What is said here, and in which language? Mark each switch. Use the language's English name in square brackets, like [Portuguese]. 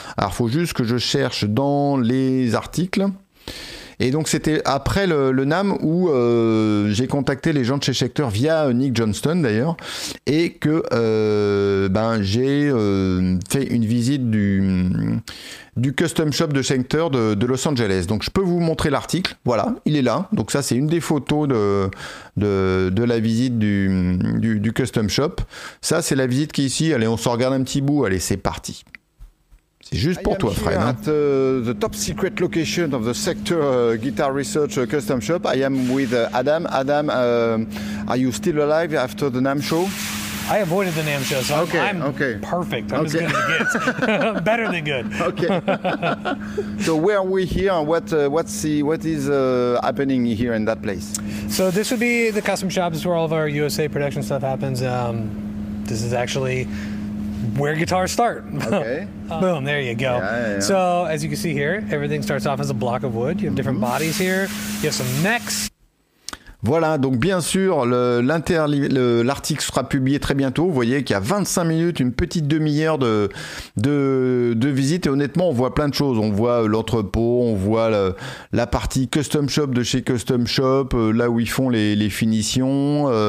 [French] Alors, faut juste que je cherche dans les articles. Et donc c'était après le NAM où j'ai contacté les gens de chez Schecter via Nick Johnston d'ailleurs, et que j'ai fait une visite du custom shop de Schecter de Los Angeles. Donc je peux vous montrer l'article, voilà, il est là. Donc ça, c'est une des photos de la visite du custom shop. Ça, c'est la visite qui est ici. Allez, on se regarde un petit bout. Allez, c'est parti. C'est juste pour toi, Fred. [English] At the top secret location of the Schecter Guitar Research Custom Shop, I am with Adam. Adam, are you still alive after the NAMM show? I avoided the NAMM show, so okay, I'm perfect. I'm okay. As good as it gets. Better than good. Okay. So where are we here? What is happening here in that place? So this would be the custom shop. This is where all of our USA production stuff happens. This is actually where guitars start. Okay. Boom, there you go. Yeah, yeah. So as you can see here, everything starts off as a block of wood. You have different bodies here. You have some necks. [French] Voilà, donc bien sûr, l'article sera publié très bientôt. Vous voyez qu'il y a 25 minutes, une petite demi-heure de visite. Et honnêtement, on voit plein de choses. On voit l'entrepôt, on voit la partie custom shop de chez Custom Shop, là où ils font les finitions.